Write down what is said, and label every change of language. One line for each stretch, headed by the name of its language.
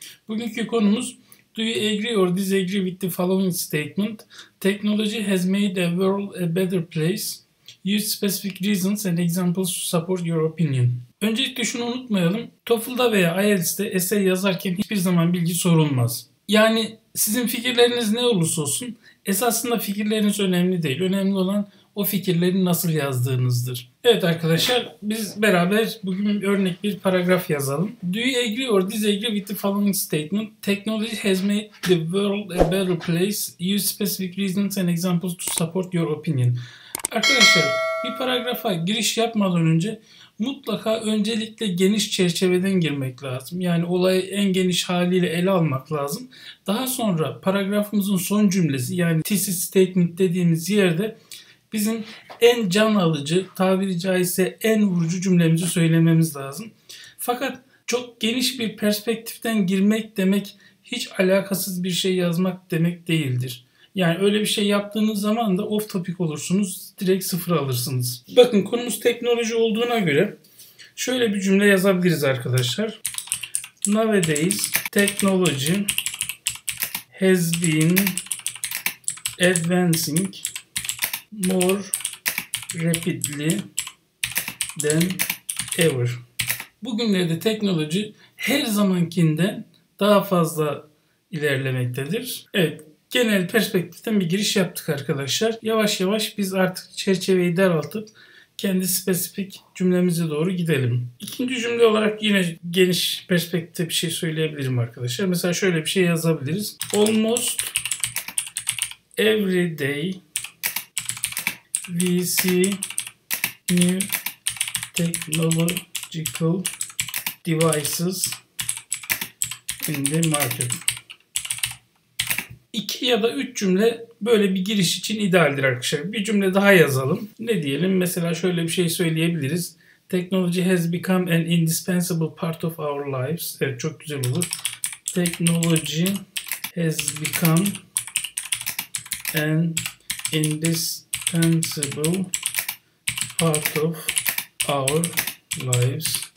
Turkish: Bugünkü konumuz,
English: do you agree or disagree with the following statement? Technology has made a world a better place. Use specific reasons and examples to support your opinion.
Turkish: Öncelikle şunu unutmayalım, TOEFL'da veya IELTS'te essay yazarken hiçbir zaman bilgi sorulmaz. Yani sizin fikirleriniz ne olursa olsun, esasında fikirleriniz önemli değil. Önemli olan o fikirleri nasıl yazdığınızdır. Evet arkadaşlar, biz beraber bugün örnek bir paragraf yazalım. Do you agree or disagree with the following statement? Technology has made the world a better place. Use specific reasons and examples to support your opinion. Arkadaşlar, bir paragrafa giriş yapmadan önce mutlaka öncelikle geniş çerçeveden girmek lazım. Yani olayı en geniş haliyle ele almak lazım. Daha sonra paragrafımızın son cümlesi, yani thesis statement dediğimiz yerde bizim en can alıcı, tabiri caizse en vurucu cümlemizi söylememiz lazım. Fakat çok geniş bir perspektiften girmek demek hiç alakasız bir şey yazmak demek değildir. Yani öyle bir şey yaptığınız zaman da off topic olursunuz, direkt sıfır alırsınız. Bakın konumuz teknoloji olduğuna göre şöyle bir cümle yazabiliriz arkadaşlar.
English: Nowadays technology has been advancing more rapidly than ever.
Turkish: Bugünlerde teknoloji her zamankinden daha fazla ilerlemektedir. Evet. Genel perspektiften bir giriş yaptık arkadaşlar. Yavaş yavaş biz artık çerçeveyi daraltıp kendi spesifik cümlemize doğru gidelim. İkinci cümle olarak yine geniş perspektifte bir şey söyleyebilirim arkadaşlar. Mesela şöyle bir şey yazabiliriz.
English: Almost every day we see new technological devices in the market.
Turkish: İki ya da üç cümle böyle bir giriş için idealdir arkadaşlar. Bir cümle daha yazalım. Ne diyelim? Mesela şöyle bir şey söyleyebiliriz.
English: Technology has become an indispensable part of our lives.
Turkish: Evet, çok güzel olur.
English: Technology has become an indispensable part of our lives.